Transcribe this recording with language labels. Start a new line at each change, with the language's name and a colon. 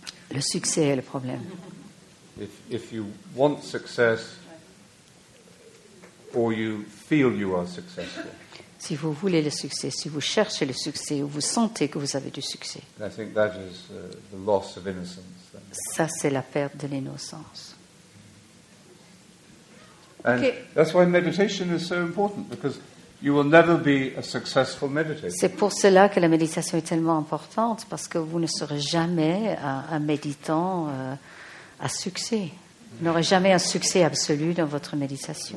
French: Le succès est le problème.
English: If you want success, or you feel you are successful.
French: Si vous voulez le succès, si vous cherchez le succès, ou vous sentez que vous avez du succès.
English: And I think that is the loss of innocence. Then.
French: Ça, c'est la perte de l'innocence.
English: And okay. That's why meditation is so important, because you will never be a successful meditator.
French: C'est pour cela que la méditation est tellement importante, parce que vous ne serez jamais un méditant à succès. Vous n'aurez jamais un succès absolu dans votre méditation.